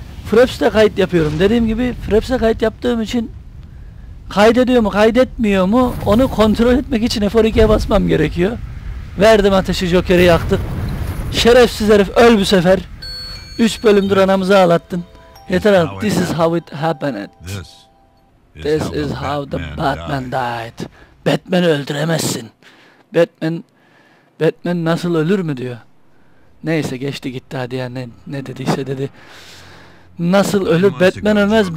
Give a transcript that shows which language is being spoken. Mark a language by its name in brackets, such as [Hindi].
[Turkish] Fraps'te kayıt yapıyorum. Dediğim gibi Fraps'te kayıt yaptığım için kaydediyor mu, kaydetmiyor mu onu kontrol etmek için F2'ye basmam gerekiyor. Verdim ateşi, Joker'i yaktık. Şerefsiz herif, öl bu sefer. 3 bölümdür anamızı ağlattın. Yeter artık. [English] This is how it happened. This is how the Batman died. [Turkish] Batman'ı öldüremezsin. Batman nasıl ölür mü diyor. Neyse, geçti gitti hadi ya, ne dediyse dedi. Nasıl ölür? Batman ölmez.